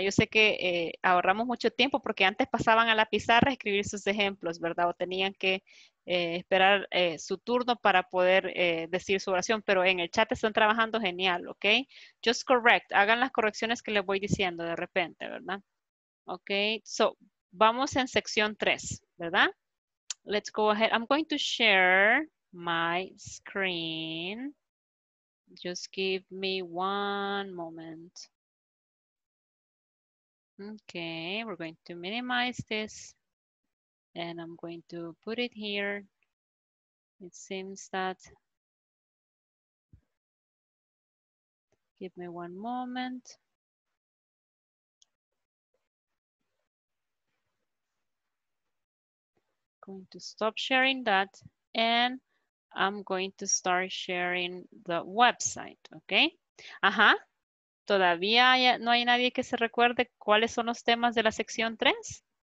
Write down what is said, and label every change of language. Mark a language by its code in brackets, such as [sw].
[es] Yo sé que ahorramos mucho tiempo porque antes pasaban a la pizarra a escribir sus ejemplos, ¿verdad? O tenían que esperar su turno para poder decir su oración, pero en el chat están trabajando genial, ¿ok? [en] Just correct, [es] hagan las correcciones que les voy diciendo de repente, ¿verdad? Ok, so, vamos en sección 3, ¿verdad? [en] Let's go ahead, I'm going to share my screen. Just give me one moment. Okay, we're going to minimize this and I'm going to put it here. It seems that, give me one moment. Going to stop sharing that and I'm going to start sharing the website, okay? Ajá. [es] ¿Todavía no hay nadie que se recuerde cuáles son los temas de la sección 3?